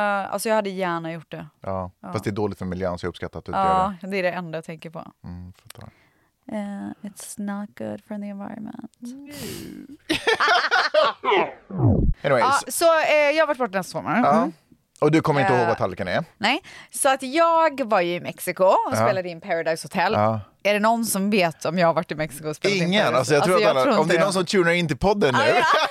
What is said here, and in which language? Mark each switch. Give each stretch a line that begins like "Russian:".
Swedish: Alltså, jag hade gärna gjort det. Ja, fast det är dåligt för miljön så jag uppskattar att du gör det. Ja, det är det enda jag tänker på. Mm, fattar.
English: It's not good for the environment. Anyways.
Swedish: Jag har varit borta nästa sommar. Och du kommer inte ihåg vad tallriken är? Nej, så att jag var ju i Mexiko och spelade in Paradise Hotel. Ja. Är det någon som vet om jag har varit i Mexiko och spelat in Paradise? Ingen, alltså jag tror alltså, att alla, tror om det är någon som tunar in till podden nu.